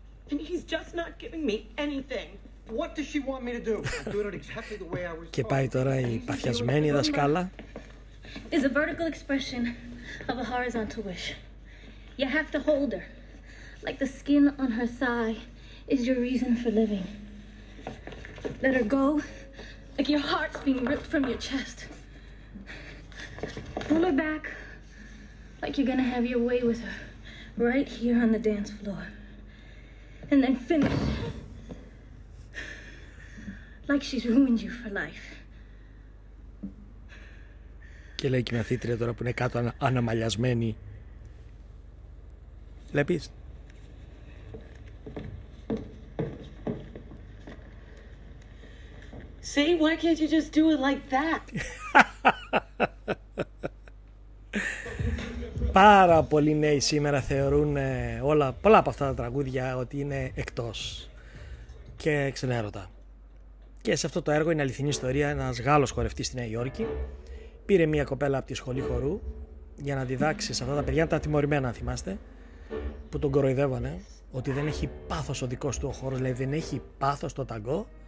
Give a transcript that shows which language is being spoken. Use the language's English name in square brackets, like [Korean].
[English] And he's just not giving me anything. What does she want me to do? Do it exactly the way I was. [Greek] Και πάει τώρα η παθιασμένη δασκάλα. [English] Is a vertical expression of a horizontal wish. You have to hold her. Like the skin on her thigh is your reason for living. Let her go. Like your heart's being ripped from your chest. Pull her back like you're gonna have your way with her right here on the dance floor. And then finish like she's ruined you for life. [Greek] Και λέει και η μαθήτρια τώρα που είναι κάτω αναμαλιασμένη. Βλέπεις. [English] See, why can't you just do it like that? [Greek] Πάρα πολλοί νέοι σήμερα θεωρούν όλα, πολλά από αυτά τα τραγούδια ότι είναι εκτός και ξενέρωτα. Και σε αυτό το έργο είναι αληθινή ιστορία. Ένας Γάλλος χορευτής στη Νέα Υόρκη πήρε μια κοπέλα από τη σχολή χορού για να διδάξει σε αυτά τα παιδιά, τα τιμωρημένα, θυμάστε, που τον κοροϊδεύανε ότι δεν έχει πάθος ο δικός του ο χώρος, δηλαδή δεν έχει πάθος το ταγκό.